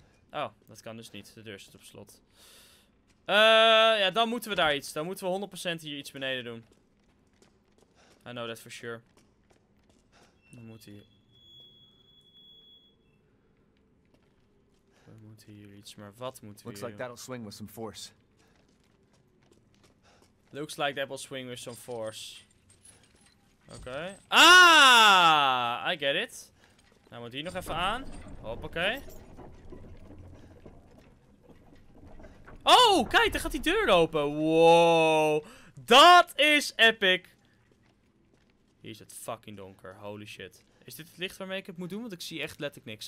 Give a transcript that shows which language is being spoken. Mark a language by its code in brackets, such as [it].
[nl] Oh, dat kan dus niet. De deur zit op slot. Ja, dan moeten we daar iets. Dan moeten we 100% hier iets beneden doen. [en] I know that for sure. [nl] We moeten hier iets, maar wat moeten we hier doen? [en] Looks like that'll swing with some force. Looks like that will swing with some force. Okay. Ah! I get it. [nl] Nou, moet die nog even aan. Hoppakee. Oh, kijk, daar gaat die deur open. Wow. Dat is epic. Hier is het fucking donker. Holy shit. Is dit het licht waarmee ik het moet doen? Want ik zie echt letterlijk niks.